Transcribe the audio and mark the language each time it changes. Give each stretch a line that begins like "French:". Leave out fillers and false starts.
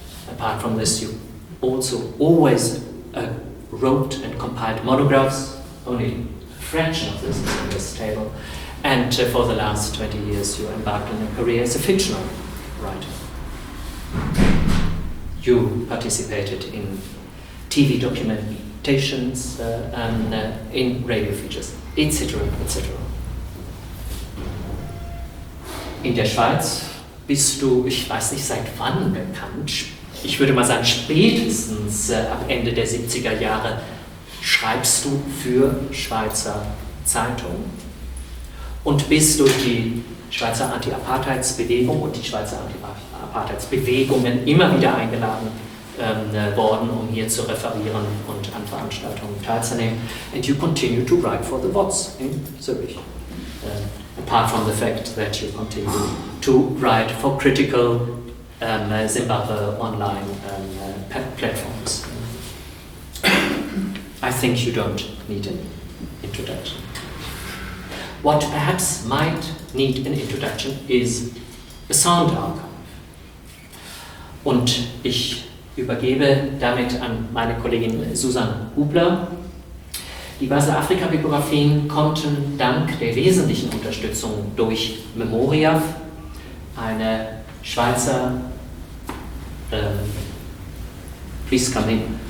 English: Apart from this, you also always wrote and compiled monographs, only a fraction of this is on this table, and for the last 20 years you embarked on a career as a fictional writer. You participated in TV documentations, in radio features, etc., etc.
German: In der Schweiz bist du, ich weiß nicht seit wann bekannt, ich würde mal sagen, spätestens ab Ende der 70er Jahre schreibst du für Schweizer Zeitungen und bist durch die Schweizer Anti-Apartheids-Bewegung und die Schweizer Anti-Apartheids-Bewegungen immer wieder eingeladen worden, um hier zu referieren und an Veranstaltungen teilzunehmen.
English: And you continue to write for the WOTS in Zürich. Apart from the fact that you continue to write for critical Zimbabwe online platforms. I think you don't need an introduction. What perhaps might need an introduction is a sound archive.
German: Und ich übergebe damit an meine Kollegin Susanne Hubler. Die Basel-Afrika-Biografien konnten dank der wesentlichen Unterstützung durch Memoriaf, eine Schweizer
English: please come in.